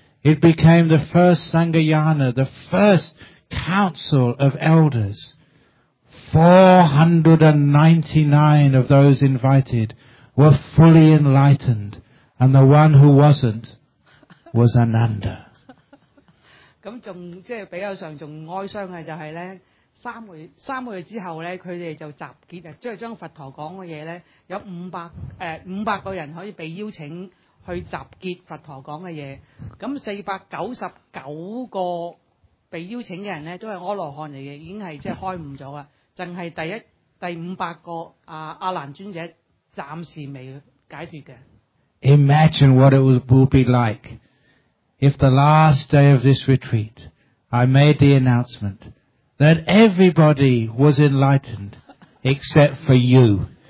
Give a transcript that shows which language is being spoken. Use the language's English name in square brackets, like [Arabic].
[English] It became the first Sangayana, the first council of elders. 499 of those invited were fully enlightened, and the one who wasn't was Ananda. [Cantonese] 咁仲即係比較上仲哀傷嘅就係咧，三個月之後咧，佢哋就集結啊，即係將佛陀講嘅嘢咧，有五百個人可以被邀請。去集結佛陀講嘅嘢，咁499個被邀請嘅人咧，都係阿羅漢嚟嘅，已經係即係開悟咗啦。淨係第五百個阿難尊者暫時未解脱嘅。 [English] Imagine what it would be like if the last day of this retreat, I made the announcement that everybody was enlightened except for you.